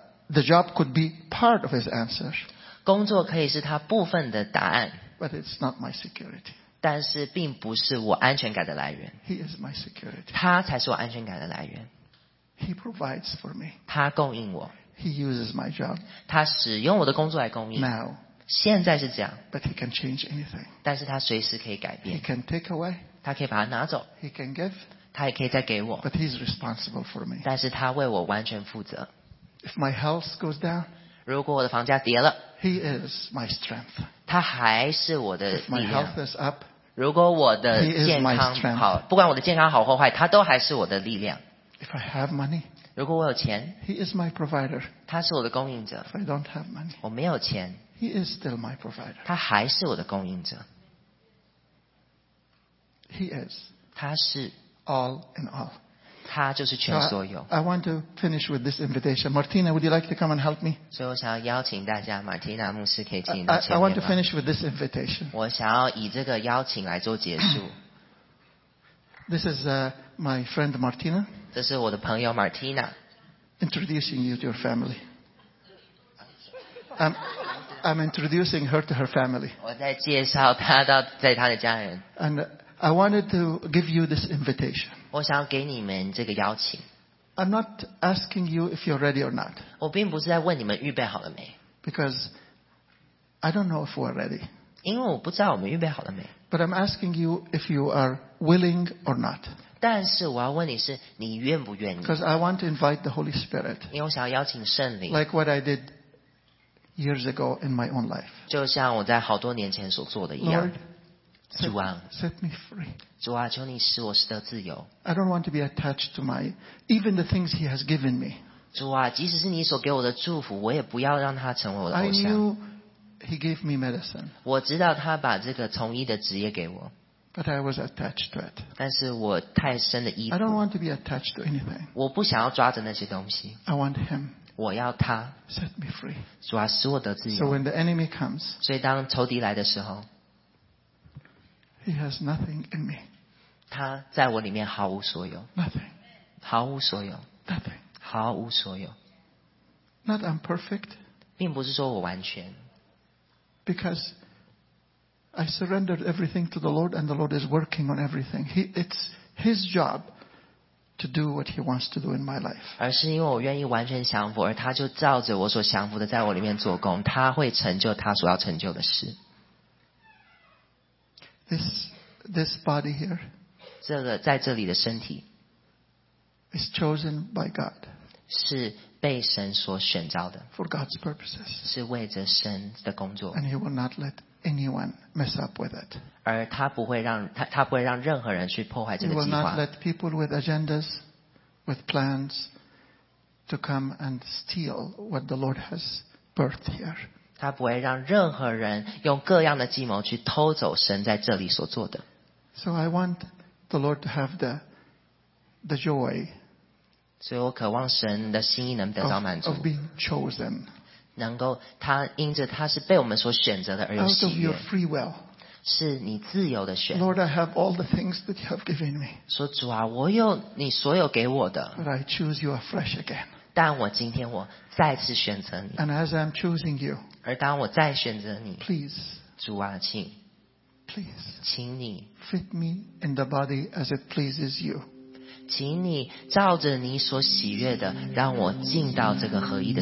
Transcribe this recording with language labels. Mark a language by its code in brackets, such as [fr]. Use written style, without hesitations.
[en] The job could be part of his answer. [zh] 工作可以是他部分的答案。 [en] But it's not my security. [zh] 但是并不是我安全感的来源。 [en] He is my security. [zh] 他才是我安全感的来源。 [en] He provides for me. [zh] 他供应我。 [en] He uses my job. [zh] 他使用我的工作来供应。 [en] Now, [zh] 现在是这样， [en] But he can change anything. [zh] 但是他随时可以改变。 [en] He can take away. [zh] 他可以把它拿走。 [en] He can give. [zh] 他也可以再给我。 [en] But he's responsible for me. [zh] 但是他为我完全负责。 [en] If my health goes down, [zh] 如果我的房价跌了， [en] he is my strength. [zh] 他还是我的力量。 [en] If my health is up, [zh] 如果我的健康好，不管我的健康好或坏，他都还是我的力量。 [en] If I have money, [zh] 如果我有钱， [en] he is my provider. [zh] 他是我的供应者。 [en] If I don't have money, [zh] 我没有钱。 [en] He is still my provider. [zh] 他还是我的供应者。 [en] He is. [zh] 他是 [en] all in all. [zh] 他就是全所有。 [en] So I want to finish with this invitation. Martina, would you like to come and help me? [zh] 所以我想要邀请大家， Martina 牧师可以请你到前面吗？ [en] I want to finish with this invitation. [zh] 我想要以这个邀请来做结束。 [en] This is my friend Martina. [zh] 这是我的朋友 Martina. [en] Introducing you to your family. I'm introducing her to her family. [zh] 我在介绍她到在她的家人。 [en] And I wanted to give you this invitation. [zh] 我想要给你们这个邀请。 [en] I'm not asking you if you're ready or not. [zh] 我并不是在问你们预备好了没。 [en] Because I don't know if we're ready. [zh] 因为我不知道我们预备好了没。 [en] But I'm asking you if you are willing or not. [zh] 但是我要问你是你愿不愿意。 [en] Because I want to invite the Holy Spirit. [zh] 因为我想要邀请圣灵。 [en] Like what I did. Years ago in my own life, [zh] 就像我在好多年前所做的一样。主啊 [en] ，set me free. [zh] 主啊，求你使我得自由。 [en] I don't want to be attached to my even the things He has given me. [zh] 主啊，即使是你所给我的祝福，我也不要让它成为我的偶像。 [en] I knew He gave me medicine. [zh] 我知道他把这个从医的职业给我。 [en] But I was attached to it. [zh] 但是我太深的依附。 [en] I don't want to be attached to anything. [zh] 我不想要抓着那些东西。 [en] I want Him. [zh] 我要他 [en] set me free. [zh] 主啊，使我得自由。 [en] So when the enemy comes, [zh] 所以当仇敌来的时候， [en] he has nothing in me. [zh] 他在我里面毫无所有。 [en] Nothing. [zh] 毫无所有。 [en] Nothing. [zh] 毫无所有。 [en] Not I'm perfect. [zh] 并不是说我完全。 [en] Because I surrendered everything to the Lord, and the Lord is working on everything. It's His job. To do what he wants to do in my life. [zh] 而是因为我愿意完全降服，而他就照着我所降服的在我里面做工，他会成就他所要成就的事。 [en] This body here. [zh] 这个在这里的身体。 [en] Is chosen by God. [zh] 是被神所选召的。 [en] For God's purposes. [zh] 是为着神的工作。 [en] And he will not let anyone mess up with it. [zh] 而他不会让 他不会让任何人去破坏这个计划。 [en] He will not let people with agendas, with plans, to come and steal what the Lord has birthed here. [zh] 他不会让任何人用各样的计谋去偷走神在这里所做的。 [en] So I want the Lord to have the joy. [zh] 所以我渴望神的心意能得到满足。 [en] Of being chosen. [zh] 能够他因着他是被我们所选择的而有喜悦。 [en] Out of your free will, [zh] 是你自由的选。 [en] Lord, I have all the things that you have given me. [zh] 说主啊，我有你所有给我的。 [en] But I choose you afresh again. [zh] 但我今天我再次选择你。 [en] And as I'm choosing you, [zh] 而当我再选择你。 [en] Please, [zh] 主啊，请。 [en] Please, [zh] 请你。 [en] Fit me in the body as it pleases you. [zh] 请你照着你所喜悦的，让我进到这个合一的